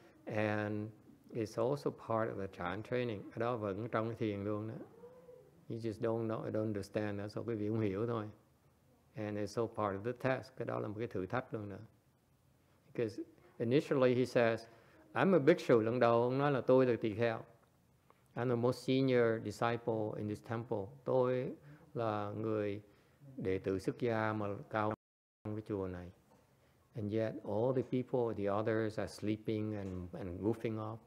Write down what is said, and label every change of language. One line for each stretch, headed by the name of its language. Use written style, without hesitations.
English: And it's also part of the chant training.
Vietnamese: Đó vẫn trong thiền luôn đó.
English: You just don't know, don't understand. That's all.
Vietnamese: Quý vị không hiểu thôi.
English: And it's all part of the test.
Vietnamese: Cái đó là một cái thử thách luôn nữa.
English: Because initially he says, I'm a bhikshu.
Vietnamese: Lần đầu ông nói là tôi là tỳ kheo.
English: I'm the most senior disciple in this temple.
Vietnamese: Tôi là người đệ tử xuất gia mà cao trong cái chùa này.
English: And yet all the people, the others are sleeping and goofing off.